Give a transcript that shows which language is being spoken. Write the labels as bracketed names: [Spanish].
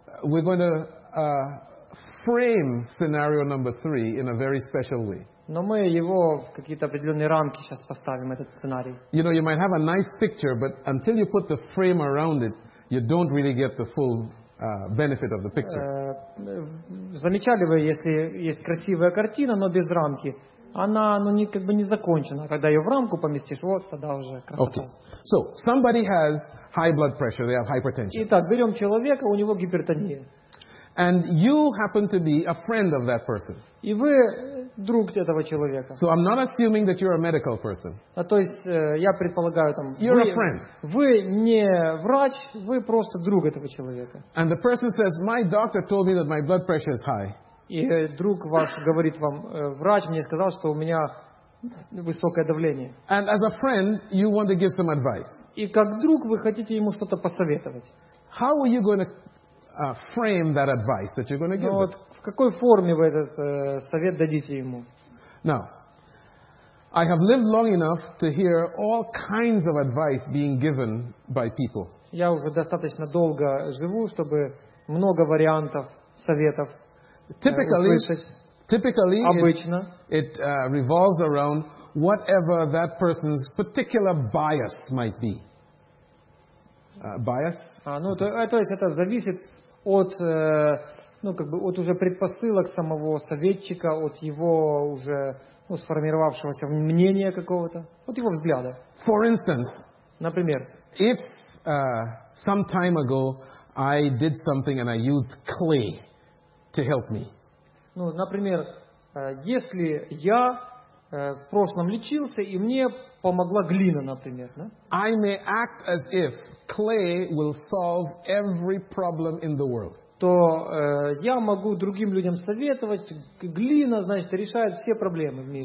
[English] we're going to frame scenario number 3 in a very special way. [Russian] Но мы его в какие-то определенные рамки сейчас поставим, этот сценарий. [English] You know, you might have a nice picture, but until you put the frame around it, you don't really get the full benefit of the picture. [Russian] Замечали вы, если есть красивая картина, но без рамки, она, ну, не, как бы не закончена. Когда ее в рамку поместишь, вот тогда уже красота. [English] Okay. So, somebody has high blood pressure, they have hypertension. [Russian] Итак, берем человека, у него гипертония. [English] And you happen to be a friend of that person. [Russian] И вы друг этого человека. [English] So I'm not assuming that you're a medical person. [Russian] А то есть я предполагаю там. [English] You're a friend. [Russian] Вы не врач, вы просто друг этого человека. [English] And the person says, my doctor told me that my blood pressure is high. [Russian] И друг ваш говорит вам, врач мне сказал, что у меня высокое давление. [English] And as a friend, you want to give some advice. [Russian] И как друг вы хотите ему что-то посоветовать. [English] How are you going to frame that advice that you're going to give. [Russian] Вот в какой форме вы этот совет дадите ему? [English] Now, I have lived long enough to hear all kinds of advice being given by people. [Russian] Я уже достаточно долго живу, чтобы много вариантов советов услышать. [English] Typically, [Russian] обычно [English] it revolves around whatever that person's particular bias might be. Bias? [Russian] То есть это зависит от, ну, как бы, от уже предпосылок самого советчика, от его уже, ну, сформировавшегося мнения какого-то, от его взгляда. [English] For instance, [Russian] например, [English] if some time ago I did something and I used clay to help me. [Russian] Ну, например, если я в прошлом лечился и мне помогла глина, например, да? [English] I may act as if clay will solve every problem in the world. [Russian] То я могу другим людям советовать, глина, значит, решает все проблемы в мире.